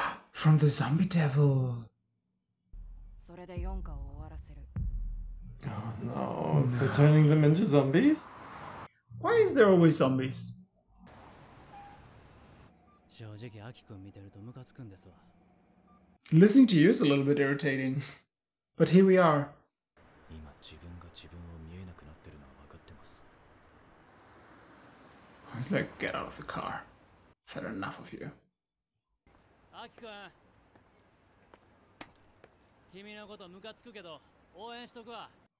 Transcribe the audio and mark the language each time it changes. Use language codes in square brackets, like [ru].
[en] From the zombie devil. [ja] それで四花を終わらせる。 [en] Oh no. Oh no, they're turning them into zombies? Why is there always zombies? [ja] 正直、アキ君見てるとムカつくんですわ。 [en] Listening to you is a little bit irritating. But here we are. [ja] 今、自分が自分を見えなくなってるのは分かってます。 [en] He's like, get out of the car. I've had enough of you. [ja] アキ君。君のことムカつくけど、応援しとくわ。